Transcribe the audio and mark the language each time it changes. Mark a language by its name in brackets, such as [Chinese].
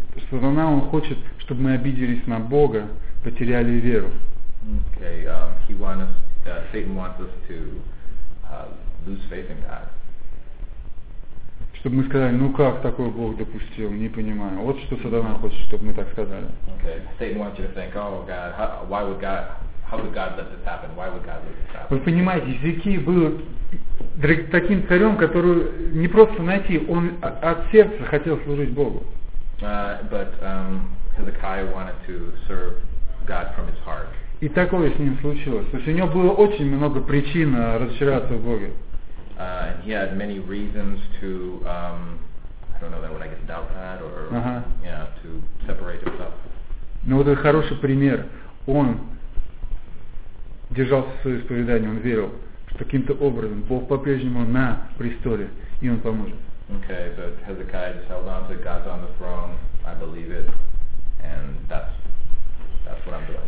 [Russian] Сатана, он хочет, чтобы мы обиделись на Бога, потеряли веру. [English] Okay, Satan wants us to lose faith in God. [Russian] Чтобы мы сказали, ну как такой Бог допустил, не понимаю. Вот что Сатана хочет, чтобы мы так сказали. [English] Okay, Satan wants you to think, oh God, how could God let this happen? Why would God let this happen? [Russian] Вы понимаете, Иезекия был таким царем, который не просто найти, он от сердца хотел служить Богу. [English] But Hezekiah wanted to serve God from his heart. [Russian] И такое с ним случилось. То есть у него было очень много причин разочароваться в Боге. [English] He had many reasons to, I don't know that when I get to doubt that or to separate himself. [Russian] Но вот это хороший пример. Он держался в своем исповедании, он верил, что каким-то образом Бог по-прежнему на престоле, и он поможет. [English] Okay, but Hezekiah just held on to God's on the throne, I believe it, and that's what I'm doing.